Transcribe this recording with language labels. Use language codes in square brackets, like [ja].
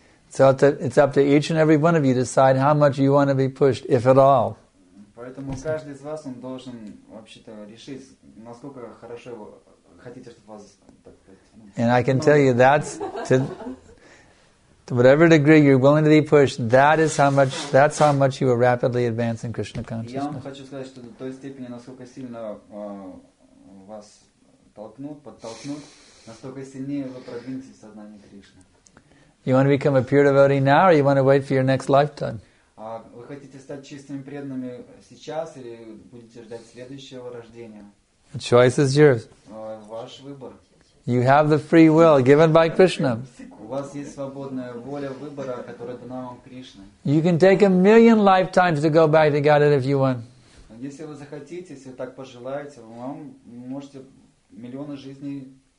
[en] So it's up to each and every one of you to decide how much you want to be pushed, if at all. [ru] Поэтому каждый из вас он должен вообще-то решить, насколько хорошо вы хотите, чтобы вас так. [en] And I can tell you that's to whatever degree you're willing to be pushed, that's how much you will rapidly advance in Krishna consciousness. [ru] Я вам хочу сказать, что до той степени, насколько сильно вас толкнут, подтолкнут, настолько сильнее вы продвинетесь в сознании Кришны. [en] You want to become a pure devotee now, or you want to wait for your next lifetime? [ru] Вы хотите стать чистыми преданными сейчас или будете ждать следующего рождения? [en] The choice is yours. [ru] Ваш выбор. [en] You have the free will given by Krishna. [ru] У вас есть свободная воля выбора, которая дана вам Кришной. [en] You can take a million lifetimes to go back to Godhead if you want. [ru] Если вы захотите, если так пожелаете, вам можете миллионы жизней.